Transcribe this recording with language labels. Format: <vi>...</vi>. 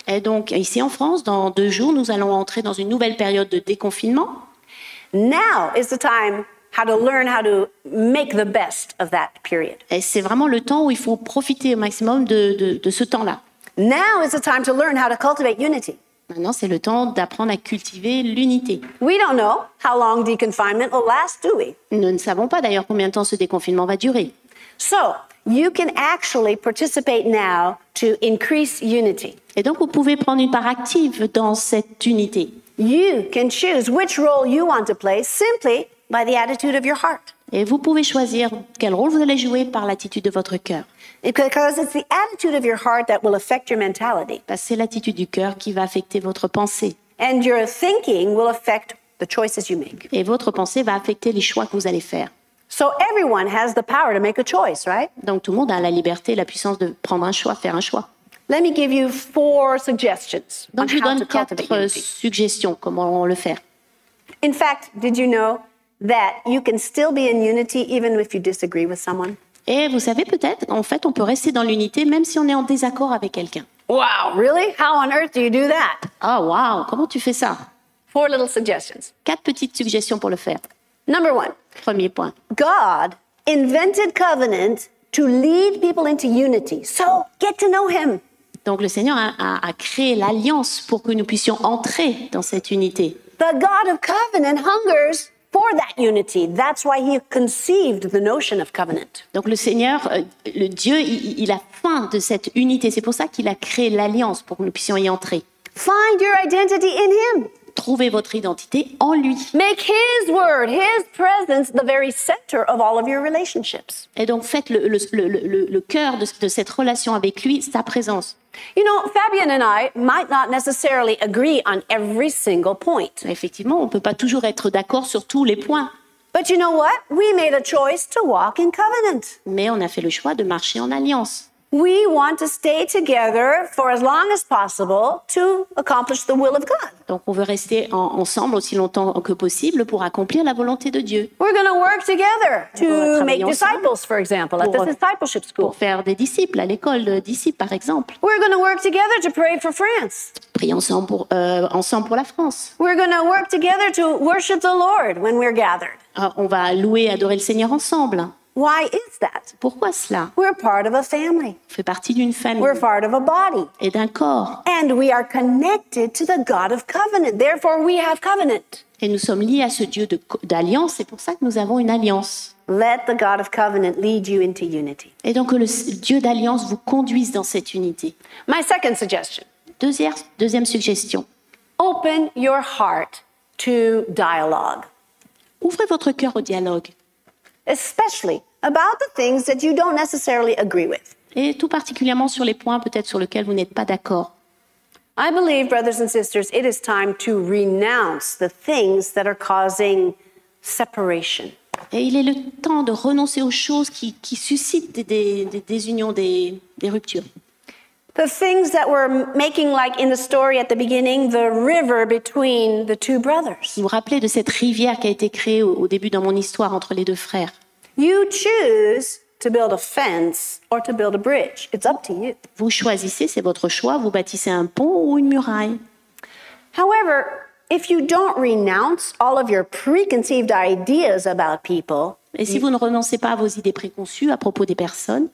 <fr>Et donc ici en France, dans 2 jours, nous allons entrer dans une nouvelle période de déconfinement.</fr> <en>Now is the time how to learn how to make the best of that period.</en> <fr>Et c'est vraiment le temps où il faut profiter au maximum de ce temps-là.</fr> <en>Now is the time to learn how to cultivate unity.</en> <fr>Maintenant, c'est le temps d'apprendre à cultiver l'unité.</fr> <en>We don't know how long the confinement will last, do we?</en> <fr>Nous ne savons pas d'ailleurs combien de temps ce déconfinement va durer.</fr> <en>So, you can actually participate now to increase unity.</en> <fr>Et donc, vous pouvez prendre une part active dans cette unité.</fr> <en>You can choose which role you want to play simply by the attitude of your heart.</en> <fr>Et vous pouvez choisir quel rôle vous allez jouer par l'attitude de votre cœur.</fr> <en>Because it's the attitude of your heart that will affect your mentality.</en> <fr>Parce que c'est l'attitude du cœur qui va affecter votre pensée.</fr> <en>And your thinking will affect the choices you make.</en> <fr>Et votre pensée va affecter les choix que vous allez faire.</fr> <en>So everyone has the power to make a choice, right?</en> <fr>Donc tout le monde a la liberté, la puissance de prendre un choix, faire un choix.</fr> <en>Let me give you four suggestions.</en> <fr>Donc, je donne quatre suggestions comment on le faire.</fr> <en>In fact, did you know that you can still be in unity even if you disagree with someone?</en> <fr>Et vous savez peut-être, en fait, on peut rester dans l'unité même si on est en désaccord avec quelqu'un.</fr> <en>Wow, really? How on earth do you do that?</en> <fr>Oh wow, comment tu fais ça?</fr> <en>Four little suggestions.</en> <fr>Quatre petites suggestions pour le faire.</fr> <en>Number one.</en> <fr>Premier point.</fr> <en>God invented covenant to lead people into unity. So, get to know him.</en> <fr>Donc le Seigneur a créé l'alliance pour que nous puissions entrer dans cette unité.</fr> <en>The God of covenant hungers for that unity. That's why he conceived the notion of covenant.</en> <fr>Donc le Seigneur, le Dieu, il a faim de cette unité. C'est pour ça qu'il a créé l'alliance pour que nous puissions y entrer.</fr> <en>Find your identity in him.</en> <fr>Trouvez votre identité en lui.</fr> <en>Make his word, his presence, the very center of all of your relationships.</en> <fr>Et donc faites le cœur de cette relation avec lui, sa présence.</fr> <en>You know, Fabian and I might not necessarily agree on every single point.</en> <fr>Effectivement, on peut pas toujours être d'accord sur tous les points.</fr> <en>But you know what? We made a choice to walk in covenant.</en> <fr>Mais on a fait le choix de marcher en alliance.</fr> <en>We want to stay together for as long as possible to accomplish the will of God.</en> <fr>Donc on veut rester ensemble aussi longtemps que possible pour accomplir la volonté de Dieu.</fr> <en>We're going to work together to make disciples, for example, at the discipleship school.</en> <fr>Pour faire des disciples à l'école de disciples, par exemple.</fr> <en>We're going to work together to pray for France.</en> <fr>Prier ensemble pour la France.</fr> <en>We're going to work together to worship the Lord when we're gathered.</en> <fr>On va louer et adorer le Seigneur ensemble.</fr> <en>Why is that?</en> <fr>Pourquoi cela?</fr> <en>We're part of a family.</en> <fr>On fait partie d'une famille.</fr> <en>We're part of a body.</en> <fr>Et d'un corps.</fr> <en>And we are connected to the God of covenant. Therefore, we have covenant.</en> <fr>Et nous sommes liés à ce Dieu d'alliance. C'est pour ça que nous avons une alliance.</fr> <en>Let the God of covenant lead you into unity.</en> <fr>Et donc que le Dieu d'alliance vous conduise dans cette unité.</fr> <en>My second suggestion.</en> <fr>Deuxième suggestion.</fr> <en>Open your heart to dialogue.</en> <fr>Ouvrez votre cœur au dialogue.</fr> <en>Especially about the things that you don't necessarily agree with.</en> <fr>Et tout particulièrement sur les points peut-être sur lesquels vous n'êtes pas d'accord.</fr> <en>I believe, brothers and sisters, it is time to renounce the things that are causing separation.</en> <fr>Et il est le temps de renoncer aux choses qui suscitent des désunions, des ruptures.</fr> <en>The things that were making, like in the story at the beginning, the river between the two brothers.</en> <fr>Vous vous rappelez de cette rivière qui a été créée au début dans mon histoire entre les deux frères.</fr> <en>You choose to build a fence or to build a bridge. It's up to you.</en> <fr>Vous choisissez, c'est votre choix, vous bâtissez un pont ou une muraille.</fr> <en>However, if you don't renounce all of your preconceived ideas about people,</en> <fr>et si vous ne renoncez pas à vos idées préconçues à propos des personnes,</fr>